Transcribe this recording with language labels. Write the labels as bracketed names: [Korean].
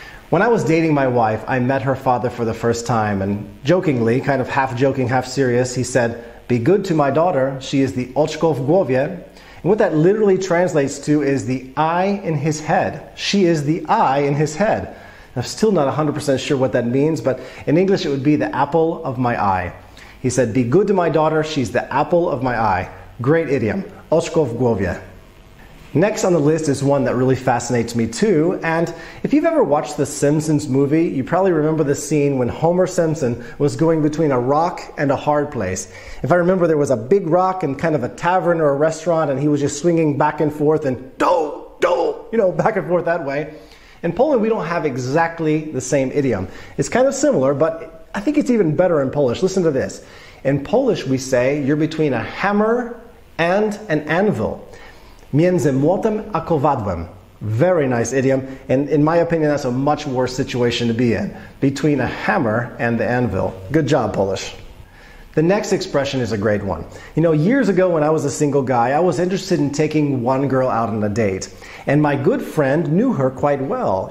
[English] When I was dating my wife, I met her father for the first time, and jokingly, kind of half joking, half serious, he said, be good to my daughter, she is the [Polish] oczko w głowie. [English] And what that literally translates to is the eye in his head. She is the eye in his head. I'm still not 100% sure what that means, but in English it would be the apple of my eye. He said, be good to my daughter, she's the apple of my eye. Great idiom, [Polish] oczko w głowie. [English] Next on the list is one that really fascinates me too, and if you've ever watched the Simpsons movie, you probably remember the scene when Homer Simpson was going between a rock and a hard place. If I remember, there was a big rock and kind of a tavern or a restaurant, and he was just swinging back and forth and do, do, you know, back and forth that way. In Poland, we don't have exactly the same idiom. It's kind of similar, but I think it's even better in Polish. Listen to this. In Polish, we say you're between a hammer and an anvil. [Polish] Między młotem a kowadłem. [English] Very nice idiom, and in my opinion, that's a much worse situation to be in. Between a hammer and the anvil. Good job, Polish. The next expression is a great one. You know, years ago when I was a single guy, I was interested in taking one girl out on a date, and my good friend knew her quite well.